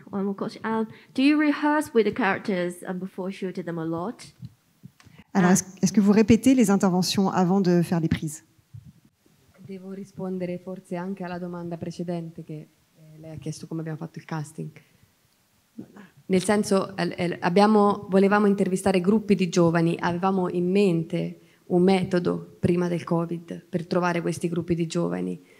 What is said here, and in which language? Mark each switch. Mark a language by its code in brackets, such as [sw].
[en] Do you rehearse with the characters before shooting them a lot? [fr] Alors, est-ce que vous répétez les interventions avant de faire les prises? [it] Devo rispondere forse anche alla domanda precedente che lei ha chiesto come abbiamo fatto il casting. Nel senso, volevamo intervistare gruppi di giovani, avevamo in mente un metodo prima del Covid per trovare questi gruppi di giovani.